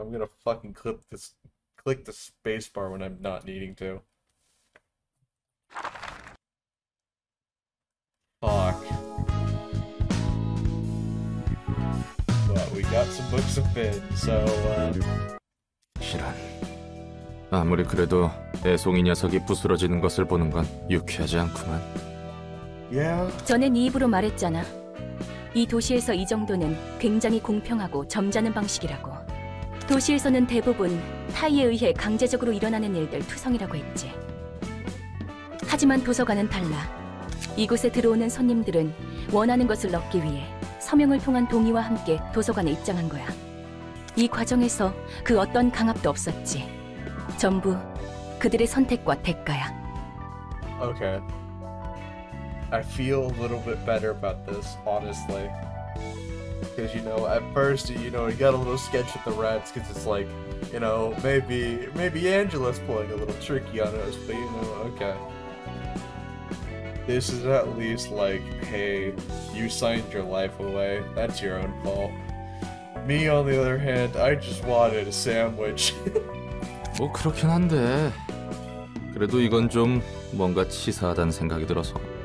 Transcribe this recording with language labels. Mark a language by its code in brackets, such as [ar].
[en] I'm gonna fucking click the spacebar when I'm not needing to. Fuck. But we got some books of Finn, so [ko] 실은 아무리 그래도 애송이 녀석이 부스러지는 것을 보는 건 유쾌하지 않구만. [en] Yeah. [ko] 저는 입으로 말했잖아. 이 도시에서 이 정도는 굉장히 공평하고 점잖은 방식이라고. 도시에서는 대부분 타이에 의해 강제적으로 일어나는 일들 투성이라고 했지. 하지만 도서관은 달라. 이곳에 들어오는 손님들은 원하는 것을 얻기 위해 서명을 통한 동의와 함께 도서관에 입장한 거야. 이 과정에서 그 어떤 강압도 없었지. 전부 그들의 선택과 대가야. [en] Okay. I feel a little bit better about this, honestly. Because, you know, at first, you know, you got a little sketch with the rats, because it's like, you know, maybe Angela's pulling a little tricky on us, but, you know, okay. This is at least like, hey, you signed your life away. That's your own fault. Me, on the other hand, I just wanted a sandwich. [ko] 뭐 그렇긴 한데. 그래도 이건 좀 뭔가 치사하다는 생각이 들어서.